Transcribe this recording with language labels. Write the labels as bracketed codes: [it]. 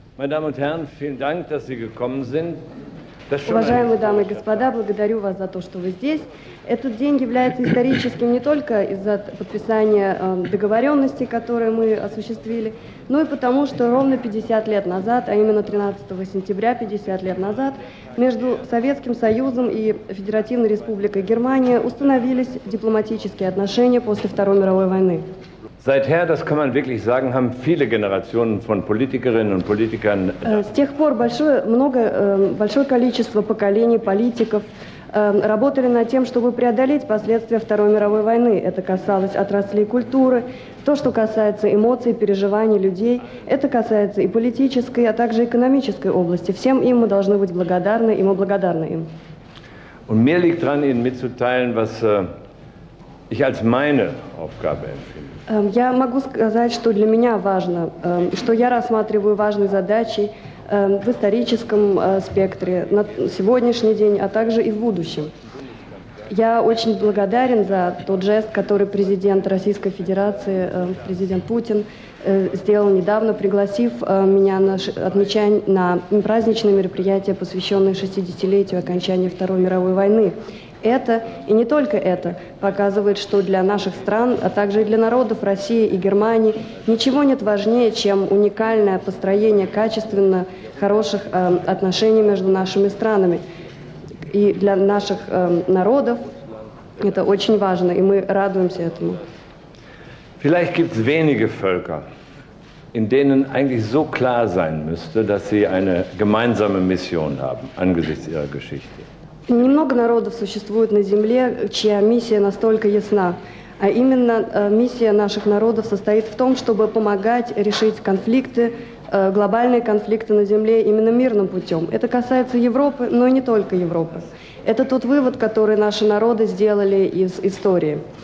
[de] Meine Damen und Herren, vielen Dank, dass Sie gekommen sind. [ru] Уважаемые дамы и господа, благодарю вас за то, что вы здесь. Этот день является историческим не только из-за подписания договоренности, которую мы осуществили, но и потому, что ровно 50 лет назад, а именно 13 сентября, 50 лет назад, между Советским Союзом и Федеративной Республикой Германия установились дипломатические отношения после Второй мировой войны. [de] Seither, das kann man wirklich sagen, haben viele Generationen von Politikerinnen und Politikern. [ru] С тех пор большое количество поколений политиков работали над тем, чтобы преодолеть последствия Второй мировой войны. Это касалось отраслей культуры, то, что касается эмоций, переживаний людей. Это касается и политической, а также экономической области. Всем им мы должны быть благодарны, и мы благодарны им. [de] Und mir liegt dran, Ihnen mitzuteilen, was ich als meine Aufgabe empfinde. [ru] Я могу сказать, что для меня важно, что я рассматриваю важные задачи в историческом спектре на сегодняшний день, а также и в будущем. Я очень благодарен за тот жест, который президент Российской Федерации, президент Путин, сделал недавно, пригласив меня на праздничное мероприятие, посвященное 60-летию окончания Второй мировой войны. Это, и не только это, показывает, что для наших стран, а также и для народов России и Германии, ничего нет важнее, чем уникальное построение качественно хороших отношений между нашими странами. И для наших народов это очень важно, и мы радуемся этому. [de] Vielleicht gibt es wenige Völker, in denen eigentlich so klar sein müsste, dass sie eine gemeinsame Mission haben angesichts ihrer Geschichte. [ru] Немного народов существует на Земле, чья миссия настолько ясна. А именно миссия наших народов состоит в том, чтобы помогать решить конфликты, глобальные конфликты на Земле именно мирным путем. Это касается Европы, но и не только Европы. Это тот вывод, который наши народы сделали из истории.